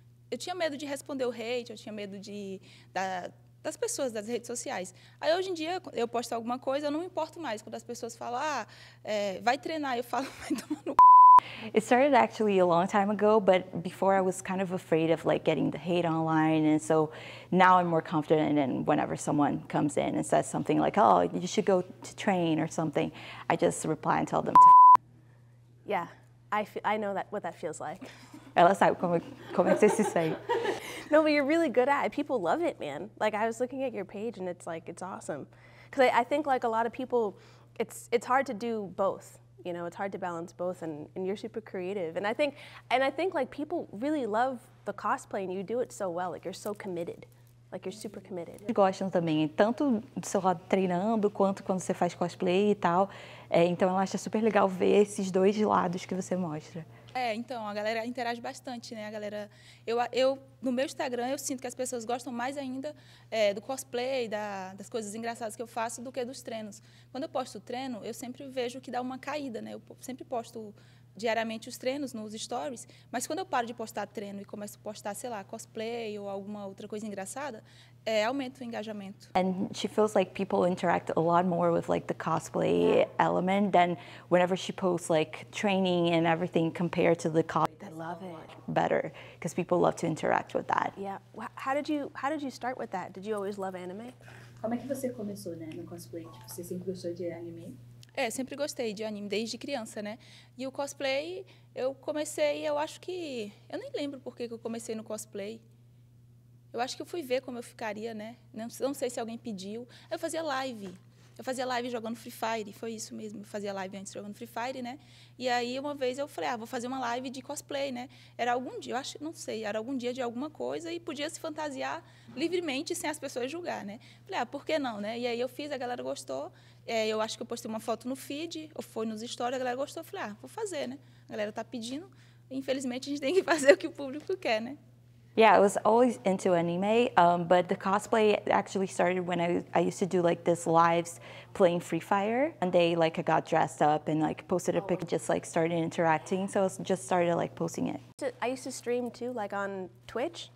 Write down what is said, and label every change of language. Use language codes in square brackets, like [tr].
[pt] Eu tinha medo de responder o hate, eu tinha medo de... das pessoas, das redes sociais. Aí, hoje em dia, eu posto alguma coisa, eu não me importo mais. Quando as pessoas falam, vai treinar, eu falo, vai tomar no c***. [en] It started actually a long time ago, but before I was kind of afraid of like getting the hate online, and so now I'm more confident, and whenever someone comes in and says something like, oh, you should go to train or something, I just reply and tell them to f***. Yeah, I know that what that feels like. [pt] Ela sabe como você se sente. [en] No, but you're really good at it. People love it, man. Like, I was looking at your page, and it's like, it's awesome. Because I think, like, a lot of people, it's hard to do both. You know, it's hard to balance both, and you're super creative. And I think, like, people really love the cosplay, and you do it so well. Like, you're so committed. Like, you're super committed. [pt] Eles gostam também, tanto do seu lado treinando, quanto quando você faz cosplay e tal. Então, ela acha super legal ver esses dois lados que você mostra. Então, a galera interage bastante, né? A galera... Eu no meu Instagram, eu sinto que as pessoas gostam mais ainda do cosplay, das coisas engraçadas que eu faço, do que dos treinos. Quando eu posto treino, eu sempre vejo que dá uma caída, né? Eu sempre posto diariamente os treinos nos stories, mas quando eu paro de postar treino e começo a postar, sei lá, cosplay ou alguma outra coisa engraçada, aumenta o engajamento. [en] And she feels like people interact a lot more with like the cosplay element than whenever she posts like training and everything compared to the cosplay. I love it. Better, because people love to interact with that. Yeah. How did you start with that? Did you always love anime? [pt] Como é que você começou, né, no cosplay? Você sempre gostou de anime? Sempre gostei de anime, desde criança, né? E o cosplay, eu comecei, eu acho que... Eu nem lembro por que eu comecei no cosplay. Eu acho que eu fui ver como eu ficaria, né? Não sei se alguém pediu. Eu fazia live. Eu fazia live jogando Free Fire, foi isso mesmo. Eu fazia live antes jogando Free Fire, né? E aí, uma vez, eu falei, vou fazer uma live de cosplay, né? Era algum dia, eu acho, não sei, era algum dia de alguma coisa e podia se fantasiar livremente, sem as pessoas julgar, né? Falei, por que não, né? E aí eu fiz, a galera gostou. Eu acho que eu postei uma foto no feed, ou foi nos stories, a galera gostou. Eu falei, vou fazer, né? A galera tá pedindo. Infelizmente, a gente tem que fazer o que o público quer, né? [en] Yeah, I was always into anime, but the cosplay actually started when I used to do like this lives playing Free Fire. One day, like, I got dressed up and like posted a picture, just like started interacting. So I just started like posting it. I used to stream too, like on Twitch.